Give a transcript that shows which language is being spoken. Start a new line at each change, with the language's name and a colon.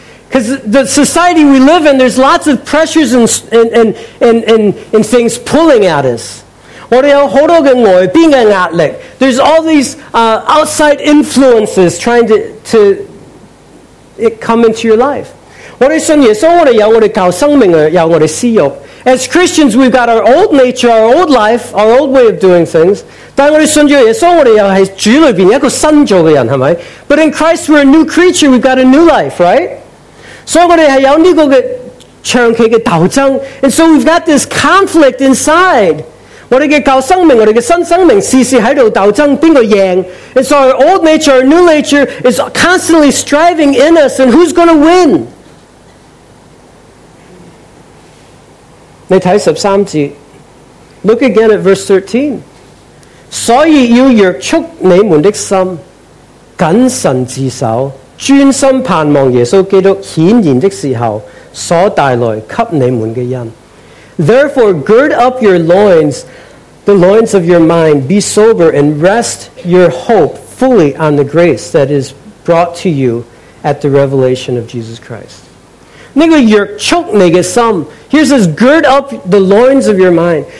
English: Because the society we live in, there's lots of pressures and things pulling at us.
Chinese: 我们有很多的外边的压力。
English: There's all these outside influences trying to it come into your life.
Chinese: 我们信耶稣, 我们有我们教生命, 有我们私欲,
English: as Christians, we've got our old nature, our old life, our old way of doing things.
Chinese: 但我们信耶稣, 我们又是主里面一个新造的人, 是吧?
English: But in Christ, we're a new creature, we've got a new life, right?
Chinese: 所以我们是有这个长期的斗争,
English: and so we've got this conflict inside.
Chinese: 我们的教生命, 我们的新生命, 时时在斗争, 谁赢?
English: And so our old nature, our new nature is constantly striving in us, and who's going to win?
Chinese: 你看13节,
English: look again at verse 13.
Chinese: 所以要约束你们的心, 谨慎自守, 专心盼望耶稣基督显现的时候, 所带来给你们的恩。
English: Therefore, gird up your loins, the loins of your mind, be sober and rest your hope fully on the grace that is brought to you at the revelation of Jesus Christ.
Chinese: 那个约束你的心,
English: here says, gird up the loins of your mind.